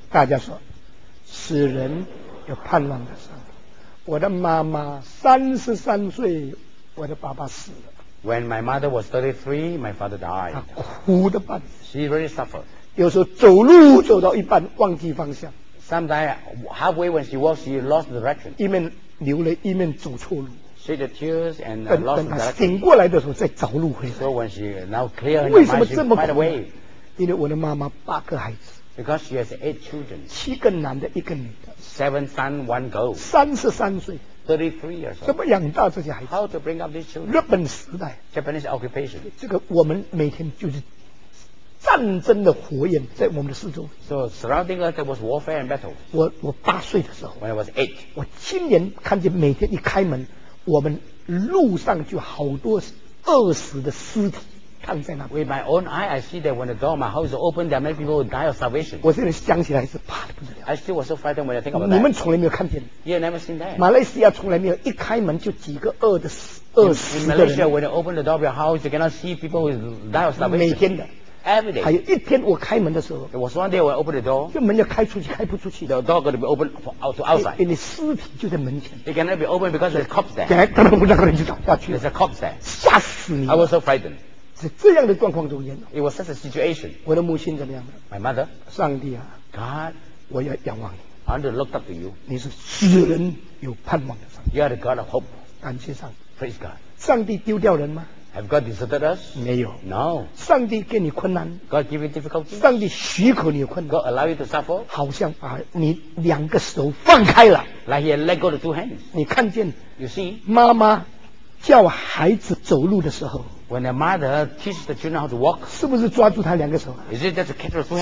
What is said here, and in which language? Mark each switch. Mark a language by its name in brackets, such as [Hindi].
[Chinese] 大家说，使人有盼望的上帝。我的妈妈33岁，我的爸爸死了。 [English] When my mother was 33, my father died. [Chinese] 她哭得半死。 [English] She really suffered. [Chinese] 有时候走路走到一半忘记方向 [English] Sometimes halfway when she walks she lost the direction [Chinese] 一面流泪一面走错路 [English] She had tears and lost the direction [Chinese] 等她醒过来的时候再找路回来 [English] So when she now clear her mind she find a way [Chinese] 因为我的妈妈8个孩子 [English] Because she has 8 children [Chinese] 7个男的1个女的 [English] 7 sons, 1 girl [Chinese] 33岁 [English] 33 years old [Chinese] 怎么养大这些孩子 [English] How to bring up these children [Chinese] 日本时代 [English] Japanese occupation [Chinese] 这个我们每天就是战争的火焰在我们的四周。 [English] So surrounding us there was warfare and battle. [Chinese] 我8岁的时候。 [English] When I was 8. [Chinese] 我亲眼看见每天一开门，我们路上就好多饿死的尸体躺在那边。 [English] With my own eye, I see that when the door of my house opened, there are many people who die of starvation. [Chinese] 我现在想起来是怕的不得了。 [English] I still was so frightened when I think about that. [Chinese] 你们从来没有看见。 [English] You never seen that. [Chinese] 马来西亚从来没有一开门就几个饿的饿死的人。 [English] In Malaysia, when you open the door of your house, you cannot see people who die of starvation. [Chinese] 每天的。 [English] Every day. [Chinese] 还有一天我开门的时候 [English] There was one day when I opened the door [Chinese] 就门要开出去开不出去 [English] The door going to be open for, to outside [Chinese] 因为尸体就在门前 [English] It cannot be open because there's cops there [Chinese] 然后我那个人就倒下去 [English] There's a cops there [Chinese] 吓死你 [English] I was so frightened [Chinese] 是这样的状况中间 [English] It was such a situation [Chinese] 我的母亲怎么样 [English] My mother [Chinese] 上帝啊 [English] God [Chinese] 我要仰望你 [English] I want to look up to you [Chinese] 你是使人有盼望的上帝 [English] You are the God of hope [Chinese] 感谢上帝 [English] Praise God [Chinese] 上帝丢掉人吗 [English] Have God deserted us? [Chinese] 没有。 [English] No. [Chinese] 上帝给你困难。 [English] God give you difficulty. [Chinese] 上帝许可你有困难。 [English] God allow you to suffer. [Chinese] 好像把你两个手放开了。 [English] Like he let go the two hands. [Chinese] 你看见。 [English] You see. [Chinese] 妈妈叫孩子走路的时候。 [English] When a mother teaches the children how to walk. [Chinese] 是不是抓住他两个手？ [English] Is it that's a catch of two hands?